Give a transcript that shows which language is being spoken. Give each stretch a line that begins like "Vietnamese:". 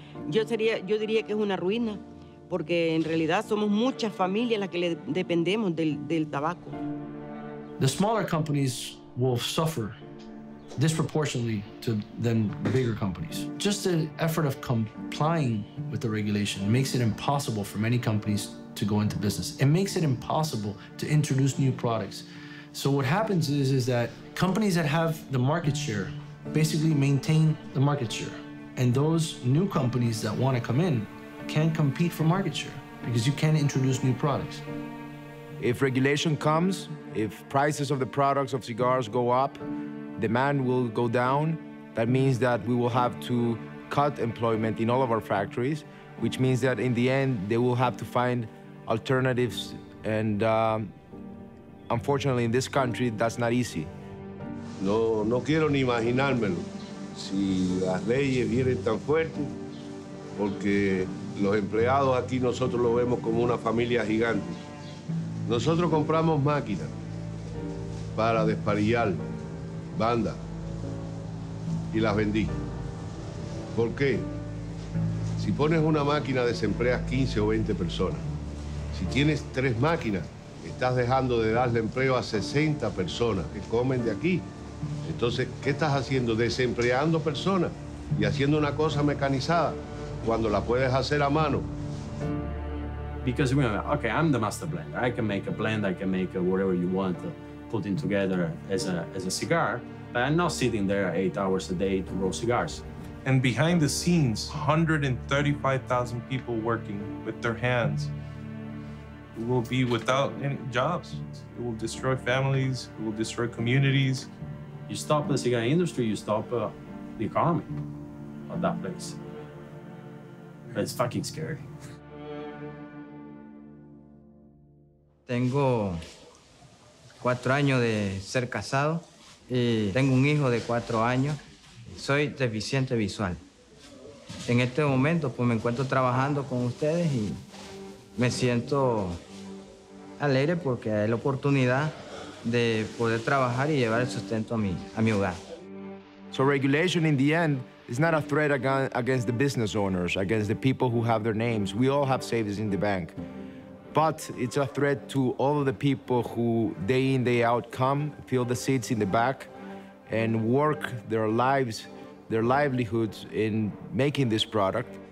Spanish: Yo diría que es una ruina, porque en realidad somos muchas familias las que le dependemos del tabaco.
English: The smaller companies will suffer disproportionately to than the bigger companies. Just the effort of complying with the regulation makes it impossible for many companies to go into business. It makes it impossible to introduce new products. So what happens is that companies that have the market share basically maintain the market share. And those new companies that want to come in can't compete for market share because you can't introduce new products. If regulation comes, if prices of the products of cigars go up, demand will go down. That means that we will have to cut employment in all of our factories, which means that in the end, they will have to find alternatives. And unfortunately, in this country, that's not easy.
Spanish: No, no quiero ni imaginármelo. Si las leyes vienen tan fuertes, porque los empleados aquí nosotros lo vemos como una familia gigante. Nosotros compramos máquinas para desparillar banda y las vendí. ¿Por qué? Si pones una máquina, desempleas 15 o 20 personas. Si tienes tres máquinas, estás dejando de darle empleo a 60 personas que comen de aquí. Entonces, ¿qué estás haciendo? Desempleando personas y haciendo una cosa mecanizada cuando la puedes hacer a mano.
English: Because, okay, I'm the master blender. I can make a blend, I can make whatever you want to put in together as a cigar, but I'm not sitting there 8 hours a day to roll cigars. And behind the scenes, 135,000 people working with their hands will be without any jobs. It will destroy families, it will destroy communities. You stop the cigar industry, you stop the economy of that place. But it's fucking scary.
Spanish: Tengo 4 años de ser casado y tengo un hijo de 4 años. Soy deficiente visual. en este momento pues me encuentro trabajando con ustedes y me siento alegre porque hay la oportunidad de poder trabajar y llevar el sustento a mi hogar.
English: So regulation in the end is not a threat against the business owners, against the people who have their names. We all have savings in the bank. But it's a threat to all of the people who day in, day out come, fill the seats in the back, and work their lives, their livelihoods in making this product.